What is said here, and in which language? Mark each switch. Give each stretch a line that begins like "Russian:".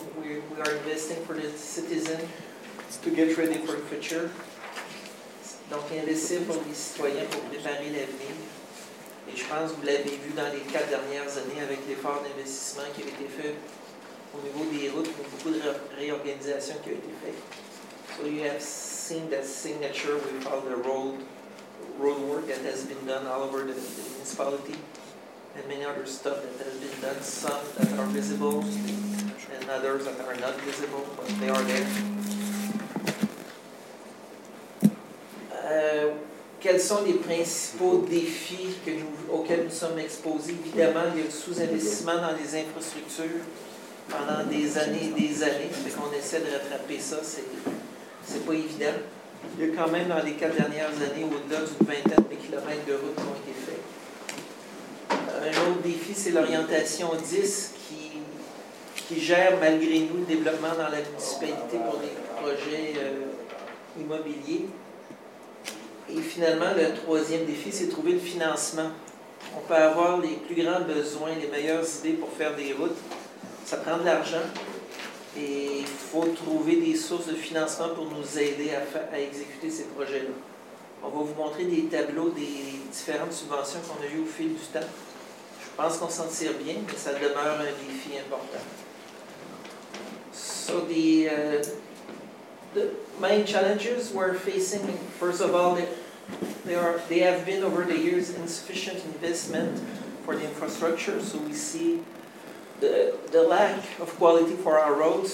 English: We are investing for the citizen to get ready for the future.
French: Donc, investir pour les citoyens pour préparer l'avenir. Et je pense que vous l'avez vu dans les quatre dernières années avec l'effort d'investissement qui a été fait au niveau des routes, pour beaucoup de réorganisation qui a été faite.
English: So you have seen that signature with all the road work that has been done all over the municipality and many other stuff that has been done, some that are visible and others that are not visible, but they are there.
French: Quels sont les principaux défis auxquels nous sommes exposés? Évidemment, il y a le sous-investissement dans les infrastructures pendant des années et des années, mais qu'on essaie de rattraper ça, c'est pas évident. Il y a quand même dans les quatre dernières années au-delà d'une vingtaine de kilomètres de route qui ont été faits. Un autre défi, c'est l'orientation 10 qui gère malgré nous le développement dans la municipalité pour des projets immobiliers. Et finalement, le troisième défi, c'est trouver le financement. On peut avoir les plus grands besoins, les meilleures idées pour faire des routes. Ça prend de l'argent. Et il faut trouver des sources de financement pour nous aider à exécuter ces projets-là. On va vous montrer des tableaux des différentes subventions qu'on a eues au fil du temps. Je pense qu'on s'en tire bien, mais ça demeure un défi important.
English: So the main challenges we're facing, first of all, they have been over the years insufficient investment for the infrastructure, so we see the lack of quality for our roads.